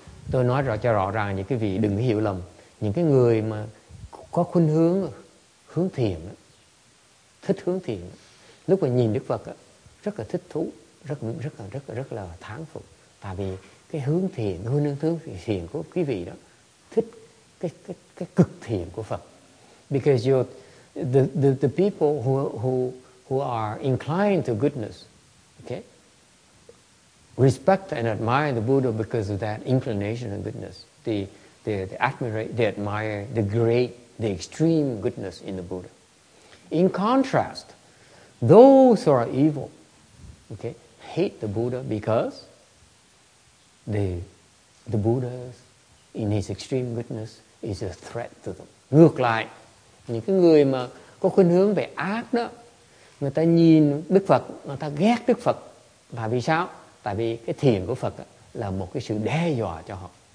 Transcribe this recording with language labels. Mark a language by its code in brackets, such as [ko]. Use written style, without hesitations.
[vi] Tôi nói rõ cho rõ ràng, những cái vị đừng hiểu lầm, những cái người mà có khuynh hướng thiện, thích hướng thiện, lúc mà nhìn Đức Phật rất là thích thú, rất là thán phục, tại vì cái hướng thiện, hướng thiện của quý vị đó thích cái cực thiện của Phật. [en] Because the people who are inclined to goodness, okay, respect and admire the Buddha because of that inclination of goodness. They admire the great, the extreme goodness in the Buddha. In contrast, those who are evil, okay, hate the Buddha because the Buddha's in his extreme goodness is a threat to them. [vi] Ngược lại, những cái người mà có khuynh hướng về ác đó, người ta nhìn Đức Phật, người ta ghét Đức Phật. Và vì sao? Tại vì cái thiền của Phật là một cái sự đe dọa cho họ.